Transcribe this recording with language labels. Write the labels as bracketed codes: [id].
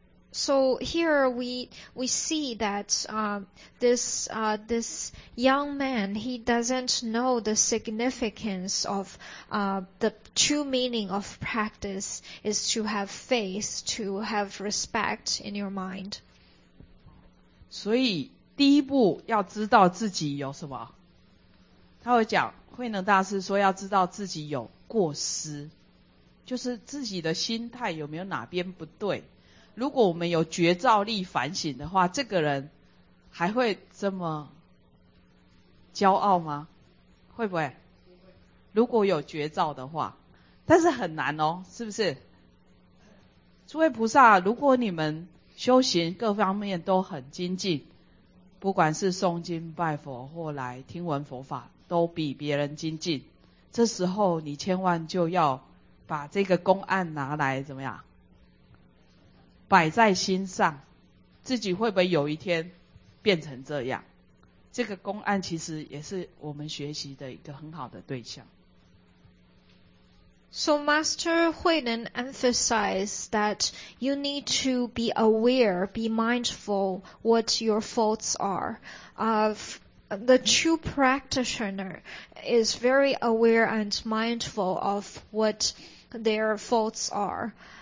[en] So here we see that this young man, he doesn't know the significance of the true meaning of practice is to have faith, to have respect in your mind. [zh] 所以第一步要知道自己有什么，他会讲慧能大师说要知道自己有过失，就是自己的心态有没有哪边不对。如果我们有觉照力反省的话，这个人还会这么骄傲吗？会不会？如果有觉照的话，但是很难哦，是不是？诸位菩萨，如果你们修行各方面都很精进，不管是诵经拜佛或来听闻佛法，都比别人精进，这时候你千万就要把这个公案拿来怎么样摆在心上，自己会不会有一天变成这样？这个公案其实也是我们学习的一个很好的对象。 [en] So Master Huinen emphasized that you need to be aware, be mindful what your faults are. The true practitioner is very aware and mindful of what their faults are.